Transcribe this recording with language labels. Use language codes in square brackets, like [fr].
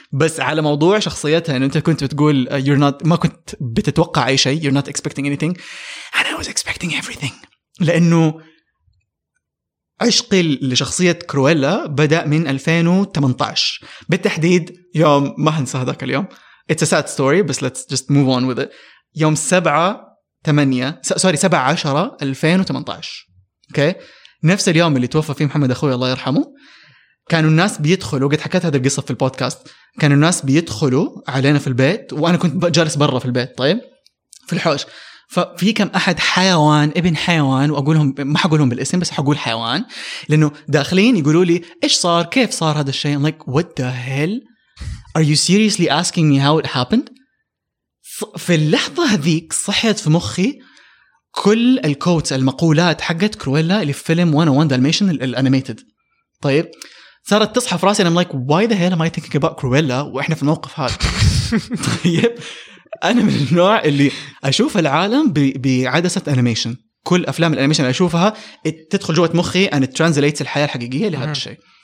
[ar] بس على موضوع شخصيتها إن أنت كنت بتقول [en] you're not، [ar] ما كنت بتتوقع أي شيء، [en] you're not expecting anything and I was expecting everything. [ar] لأنه عشقي لشخصية كرويلا بدأ من 2018 بالتحديد، يوم ما هنسى هذاك اليوم. [en] It's a sad story but let's just move on with it. [ar] يوم 7/8/2018 اوكي، نفس اليوم اللي توفى فيه محمد اخوي الله يرحمه، كانوا الناس بيدخلوا، قد حكيت هذه القصه في البودكاست، كانوا الناس بيدخلوا علينا في البيت وانا كنت جالس برا في البيت طيب في الحوش، ففي كم احد حيوان ابن حيوان واقولهم ما حقولهم بالاسم بس حقول حيوان، لانه داخلين يقولوا لي ايش صار، كيف صار هذا الشيء. [en] I'm like what the hell are you seriously asking me how it happened. [ar] في اللحظة هذيك صحيت في مخي كل الكوتس المقولات حقت كرويلا اللي في فيلم 101 دالميشن الانيميتد. طيب صارت تصحى في راسي، [en] I'm like why the hell am I thinking about [ar] كرويلا واحنا في الموقف هذا. طيب انا من النوع اللي اشوف العالم بعدسة انيميشن، كل افلام الانيميشن اللي اشوفها تدخل جوة مخي [en] and it translates [ar] الحياة الحقيقية لهذا الشيء.